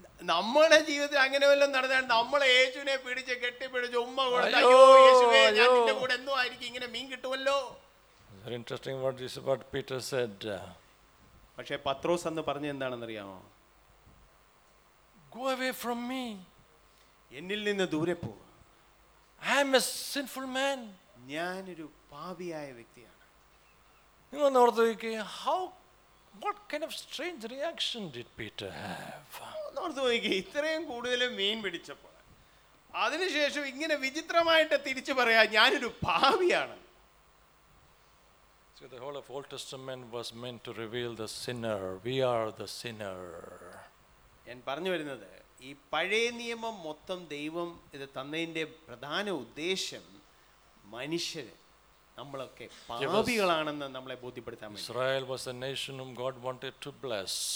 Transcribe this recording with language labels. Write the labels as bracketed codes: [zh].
[ml] നമ്മളെ ജീവിതത്തിൽ അങ്ങനെ വല്ലതും നടന്നാണ് നമ്മളെ യേശുവിനെ പിടിച്ച് കെട്ടിപ്പിടിച്ച് ഉമ്മ കൊടുത്ത, അയ്യോ യേശുവേ ഞാൻ നിന്റെ കൂടെ എന്തോ ആയിരിക്കും, ഇങ്ങനെ മീൻ കിട്ടുമല്ലോ. [en] Very interesting what is about Peter said. [ml] പക്ഷേ പത്രോസ് എന്ന് പറഞ്ഞ എന്താണെന്ന് അറിയാമോ? [en] Go away from me. [ml] എന്നിൽ നിന്ന് ദൂരെ പോവുക. [en] I am a sinful man. [ml] ഞാൻ ഒരു പാപിയായ വ്യക്തിയാണ്. നിങ്ങൾ ഓർത്തുവെക്കുക, [en] what kind of strange reaction did Peter have? [ml] ഓർത്തുവെക്കുക, ഇത്രയും കൂടുതൽ മീൻ പിടിച്ചപ്പോൾ അതിനുശേഷം ഇങ്ങനെ വിചിത്രമായിട്ട് തിരിച്ചു പറയാ, ഞാനൊരു പാപിയാണ്. [en] See, the whole of Old Testament was meant to reveal the sinner. We are the sinner. [ml] ഞാൻ പറഞ്ഞു വരുന്നത്, ഈ പഴയ നിയമം മൊത്തം ദൈവം ഇത് തന്നതിന്റെ പ്രധാന ഉദ്ദേശം മനുഷ്യര് നമ്മളൊക്കെ പാപികളാണെന്ന് നമ്മളെ ബോധ്യപ്പെടുത്താൻ വേണ്ടി. [en] Israel was a nation whom God wanted to bless.